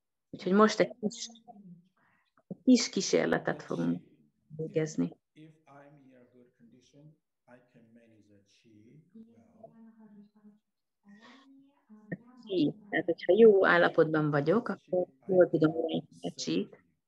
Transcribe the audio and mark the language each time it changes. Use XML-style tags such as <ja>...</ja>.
<hu>Úgyhogy most egy kis kísérletet fogunk végezni.</hu> <en>If I'm in a good condition, I can manage the chi well.</en> <hu>Tehát, hogyha jó állapotban vagyok, akkor jól tudom menedzselni a chi-t.</hu>